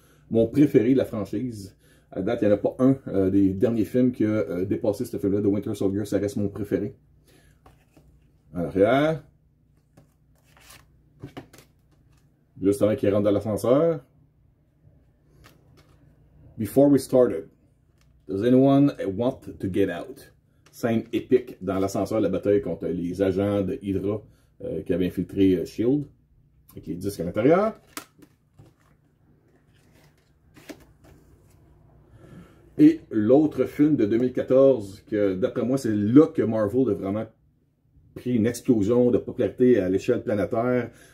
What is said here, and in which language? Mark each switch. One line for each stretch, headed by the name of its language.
French: Mon préféré de la franchise, à date, il n'y en a pas un des derniers films qui a dépassé ce film-là, The Winter Soldier, ça reste mon préféré. À l'arrière. Juste avant qu'il rentre dans l'ascenseur.
English: Before we started, does anyone want to get out?
French: Scène épique dans l'ascenseur, la bataille contre les agents de Hydra qui avaient infiltré S.H.I.E.L.D. avec les disques à l'intérieur. Et l'autre film de 2014, que d'après moi, c'est là que Marvel a vraiment pris une explosion de popularité à l'échelle planétaire.